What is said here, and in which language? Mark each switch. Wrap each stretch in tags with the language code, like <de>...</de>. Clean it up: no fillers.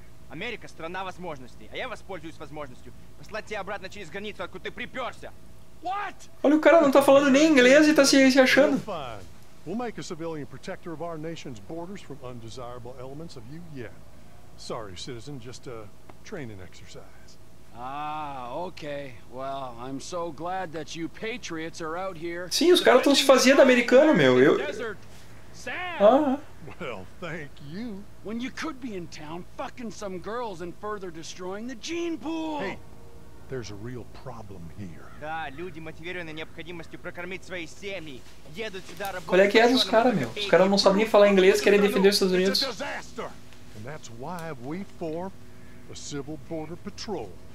<ru>América, страна возможностей, а я воспользуюсь возможностью послать тебя обратно через границу, откуда ты припёрся.</ru> <en>What?</en> <pt>Olha, o cara não tá falando nem inglês e tá se achando.</pt> <en>We'll make a civilian protector of our nation's borders from undesirable elements of you yet. Sorry, citizen, just a training exercise. Ah, okay. Well, I'm so glad that you patriots are out here.</en> <pt>Sim, os caras estão se fazendo americano, meu. Eu</pt> <en>Sam! Well, thank you. When you could be in town fucking some girls and further destroying the gene pool. Hey, there's a real problem here.</en> <ru>Да, люди, мотивированные необходимостью прокормить свои семьи, едут сюда работать.</ru> <pt>Qual é que é dos caras, meu? Os caras não sabem nem falar inglês, querem defender os Estados Unidos.</pt> <en>And that's why we formed a civil border patrol.</en>